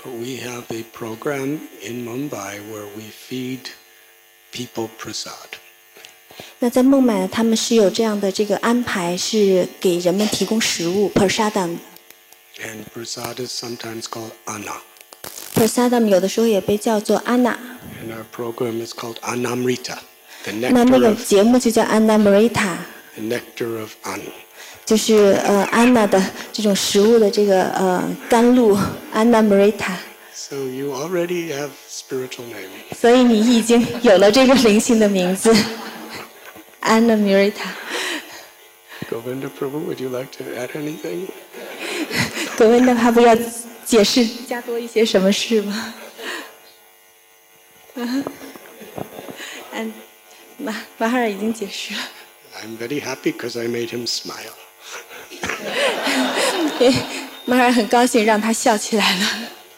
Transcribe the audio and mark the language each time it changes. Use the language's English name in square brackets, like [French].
[English] But we have a program in Mumbai where we feed people prasad. [Chinese] 那在孟买呢，他们是有这样的这个安排，是给人们提供食物 prasadam. [English] And prasad is sometimes called anna. [Chinese] Prasadam 有的时候也被叫做 anna. [English] And our program is called Annamrita. [Chinese] 那那个节目就叫 Annamrita. [English] The nectar of anna. [Chinese] 就是anna 的这种食物的这个甘露 Annamrita. [English] So you already have spiritual name. [Chinese] 所以你已经有了这个灵性的名字 ，Annamrita. [English] Govinda Prabhu, would you like to add anything? [Chinese] Govinda Prabhu 要解释加多一些什么事吗 ？And Mahara 已经解释了。 [English] I'm very happy because I made him smile. [Chinese] Mahara 很高兴让他笑起来了。